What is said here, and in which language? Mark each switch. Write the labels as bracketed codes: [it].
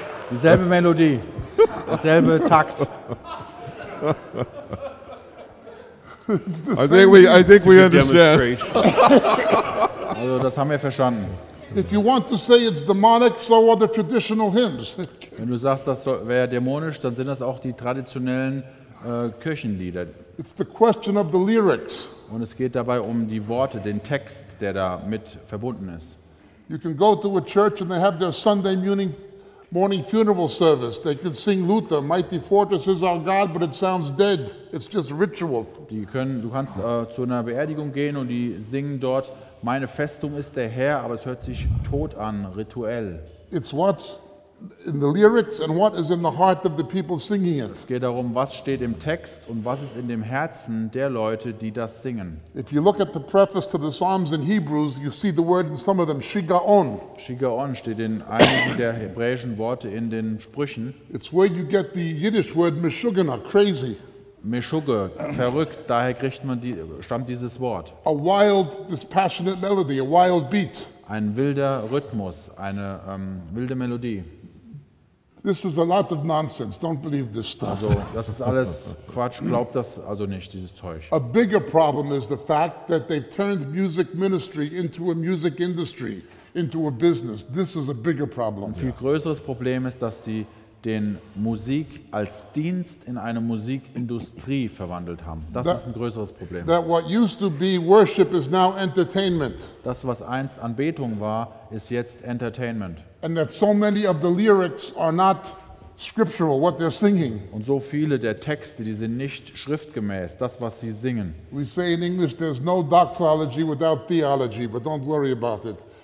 [de] Dieselbe Melodie, dieselbe Takt. [en] I think we understand. [de] Also, das haben wir verstanden. [en] If you want to say it's demonic, so are the traditional hymns. [de] Wenn du sagst, das wäre dämonisch, dann sind das auch die traditionellen Kirchenlieder. [en] It's the question of the lyrics. [de] Und es geht dabei um die Worte, den Text, der da mit verbunden ist. [en] You can go to a church and they have their Sunday morning funeral service. They can sing Luther, "Mighty Fortress is our God," but it sounds dead. It's just ritual. [de] Du kannst zu einer Beerdigung gehen und die singen dort, "Meine Festung ist der Herr," aber es hört sich tot an, rituell. [en] It's what's in the lyrics and what is in the heart of the people singing it. [de] Es geht darum, was steht im Text und was ist in dem Herzen der Leute, die das singen. [en] If you look at the preface to the Psalms in Hebrews, you see the word in some of them, Shiga'on. [de] Shiga'on steht in einigen der hebräischen Worte in den Sprüchen. [en] It's where you get the Yiddish word Meshuggah, crazy. [de] Meshugge, verrückt, daher kriegt man stammt dieses Wort. [en] A wild, this passionate melody, a wild beat. [de] Ein wilder Rhythmus, eine wilde Melodie. [en] This is a lot of nonsense. Don't believe this stuff. [de] Also, das ist alles Quatsch. Glaub das also nicht, dieses Zeug. [en] A bigger problem is the fact that they've turned music ministry into a music industry, into a business. This is a bigger problem. [de] Ein viel größeres Problem ist, dass sie den Musik als Dienst in eine Musikindustrie verwandelt haben. Das ist ein größeres Problem. [en] That what used to be worship is now entertainment. [de] Das, was einst Anbetung war, ist jetzt Entertainment. [en] And that so many of the lyrics are not scriptural, what they're singing. [de] Und so viele der Texte, die sind nicht schriftgemäß, das, was sie singen. [en] We say in English, there's no doxology without theology, but don't worry about it.